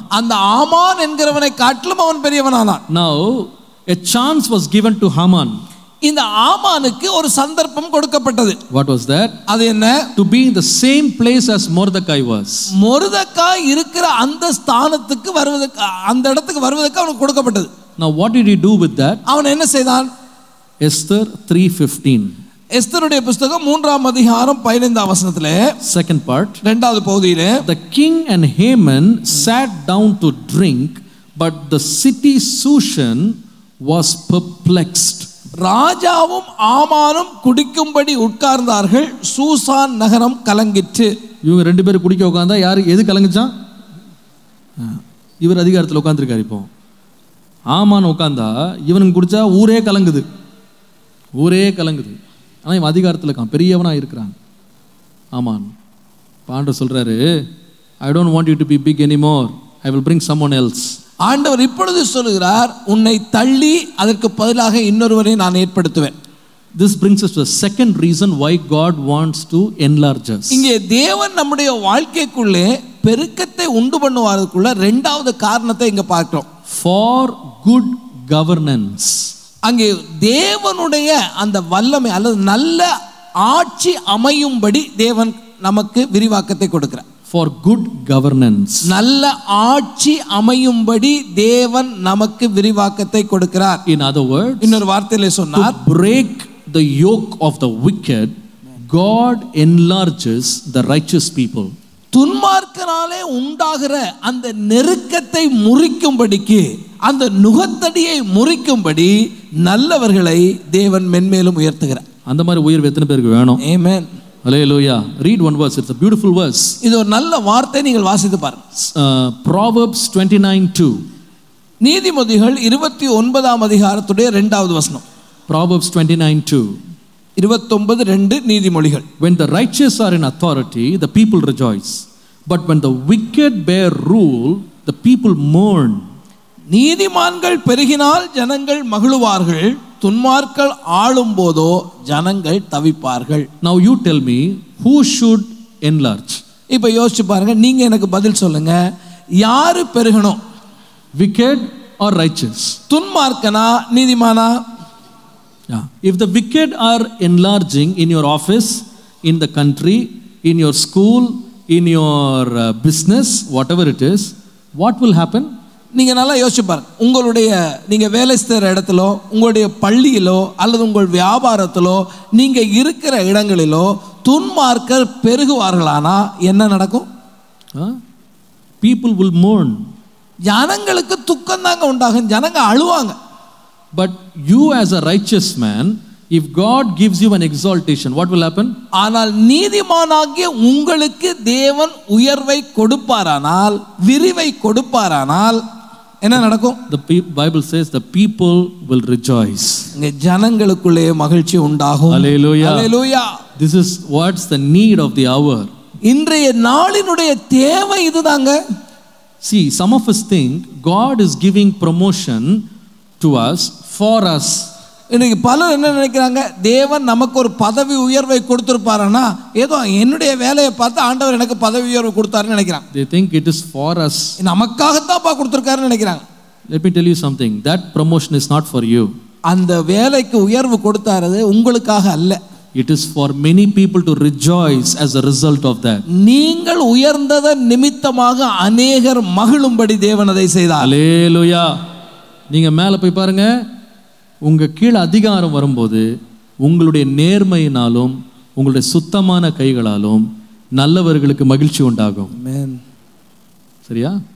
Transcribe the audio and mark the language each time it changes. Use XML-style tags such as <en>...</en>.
<ta>அந்த ஆமான் என்கிறவனை காட்டிலும் அவன் பெரியவனானான்.</ta> <en>Now a chance was given to Haman.</en> <ta>இந்த ஆமானுக்கு ஒரு சந்தர்ப்பம் கொடுக்கப்பட்டது.</ta> <en>What was that?</en> <ta>அது என்ன?</ta> <en>To be in the same place as Mordecai was.</en> <ta>மொர்தெகாய் இருக்கிற அந்த ஸ்தானத்துக்கு வருவதற்கு, அந்த இடத்துக்கு வருவதற்கு அவனுக்கு கொடுக்கப்பட்டது.</ta> <en>Now what did he do with that?</en> <ta>அவன் என்ன செய்தான்?</ta> <en>Esther 3:15.</en> <ta>எஸ்தருடைய புத்தகம் 3 அதிகாரம் 15 வசனத்திலே,</ta> <en>second part,</en> <ta>இரண்டாவது பகுதியிலே,</ta> <en>the king and Haman sat down to drink, but the city Shushan was perplexed.</en> <ta>ராஜாவும் ஆமானும் குடிக்கும்படி உட்கார்ந்தார்கள், சூசான் நகரம் கலங்கிற்று. இவங்க ரெண்டு பேரும் குடிக்க உட்கார்ந்தா யாரு எது கலங்குச்சா? இவர் அதிகாரத்தில் உட்கார்ந்துருக்காரு. இப்போ ஆமான் உட்கார்ந்தா இவனுக்கு குடிச்சா ஊரே கலங்குது, ஊரே கலங்குது. ஆனால் இவன் அதிகாரத்தில் இருக்கான், பெரியவனாக இருக்கிறான் ஆமான். பாண்டவர் சொல்றாரு,</ta> <en>I don't want you to be big any more, I will bring some one else.</en> <ta>ஆண்டவர் இப்பொழுது சொல்கிறார், உன்னை தள்ளி அதற்கு பதிலாக இன்னொருவரை நான் ஏற்படுத்துவேன்.</ta> <en>This brings us to the second reason why God wants to enlarge us.</en> <ta>இங்கே தேவன் நம்முடைய வாழ்க்கைக்குள்ளே பெருக்கத்தை உண்டு பண்ணுவதற்குள்ள இரண்டாவது காரணத்தை இங்கே பார்க்கிறோம்.</ta> <en>For good governance.</en> <ta>அங்கே தேவனுடைய அந்த வல்லமை அல்லது நல்ல ஆட்சி அமையும்படி தேவன் நமக்கு விரிவாக்கத்தை கொடுக்கிறார்.</ta> <en>For good governance.</en> <ta>நல்ல ஆட்சி அமையும்படி தேவன் நமக்கு விரிவாக்கத்தை கொடுக்கிறார்.</ta> <en>In other words,</en> <ta>இன்னொரு வார்த்தையிலே சொன்னார்,</ta> <en>to break the yoke of the wicked, God enlarges the righteous people.</en> <ta>துன்மார்க்கனாலே உண்டாகிற அந்த நெருக்கத்தை முறிக்கும்படிக்கு, அந்த நுகத்தடியை முறிக்கும்படி நல்லவர்களை தேவன் மென்மேலும் உயர்த்துகிறார். அந்த மாதிரி உயர்வு எத்தனை பேருக்கு வேணும்? ஆமென்.</ta> <en>Hallelujah. Read one verse. It's a beautiful verse.</en> <ta>இது ஒரு நல்ல வார்த்தை, நீங்கள் வாசித்து பாருங்க.</ta> <en>Proverbs 29:2.</en> <ta>நீதிமதிகள் 29 அதிகாரத்துடைய 2 வசனம்.</ta> <en>Proverbs</en> <ta>29:2. 29:2 நீதிமொழிகள்.</ta> <en>When the righteous are in authority, the people rejoice. But when the wicked bear rule, the people mourn.</en> <ta>நீதிமான்கள் பெருகினால் ஜனங்கள் மகிழுவார்கள், துன்மார்க்கள் ஆளும் போதோ ஜனங்கள் தவிப்பார்கள்.</ta> <en>Now you tell me, who should enlarge?</en> <ta>இப்ப யோசிச்சு பாருங்க, நீங்க எனக்கு பதில் சொல்லுங்க. யாரு பெருகணும்?</ta> <en>Wicked or righteous?</en> <ta>துன்மார்க்கனா நீதிமானா?</ta> <en>If the wicked are enlarging in your office, in the country, in your school, in your business, whatever it is, what will happen?</en> <ta>நீங்க நல்லா யோசிச்சு பாருங்க, உங்களுடைய நீங்க வேலை செய்யற இடத்திலோ, உங்களுடைய பள்ளியிலோ, அல்லது உங்கள் வியாபாரத்திலோ, நீங்க இருக்கிற இடங்களிலோ துன்மார்க்கர் பெருகுவார்களானா என்ன நடக்கும்?</ta> <en>People will mourn.</en> <ta>ஜனங்களுக்கு துக்கம் தாங்க உண்டாகும், ஜனங்க அழுவாங்க.</ta> <en>But you as a righteous man, if God gives you an exaltation, what will happen?</en> <ta>ஆனால் நீதிமானாகிய உங்களுக்கு தேவன் உயர்வை கொடுப்பாரானால், விரிவை கொடுப்பாரானால் என்ன நடக்கும்?</ta> <en>The Bible says the people will rejoice.</en> <ta>இங்க ஜனங்களுக்குள்ளே மகிழ்ச்சி உண்டாகும்.</ta> <en>Hallelujah. Hallelujah. This is what's the need of the hour.</en> <ta>இன்றைய நாளினுடைய தேவை இதுதாங்க.</ta> <en>See, some of us think God is giving promotion to us for us.</en> <ta>இன்னைக்கு பலர் என்ன நினைக்கிறாங்க, தேவன் நமக்கு ஒரு பதவி உயர்வை கொடுத்திருப்பாரனா, ஏதோ என்னுடைய வேலையை பார்த்து ஆண்டவர் எனக்கு பதவி உயர்வு கொடுத்தாருன்னு நினைக்கிறாங்க.</ta> <en>They think it is for us.</en> <ta>நமக்காக தான் பா கொடுத்திருக்காருன்னு நினைக்கிறாங்க.</ta> <en>Let me tell you something, that promotion is not for you.</en> <ta>அந்த வேலைக்கு உயர்வு கொடுத்தாரது உங்களுக்காக அல்ல.</ta> <en>It is for many people to rejoice as a result of that.</en> <ta>நீங்கள் உயர்ந்ததன் நிமித்தமாக அநேகர் மகிழும்படி தேவன் அதை செய்தார்.</ta> <en>Hallelujah.</en> <ta>நீங்க மேல போய் பாருங்க, உங்க கீழ் அதிகாரம் வரும்போது உங்களுடைய நேர்மையினாலும் உங்களுடைய சுத்தமான கைகளாலும் நல்லவர்களுக்கு மகிழ்ச்சி உண்டாகும். சரியா?</ta>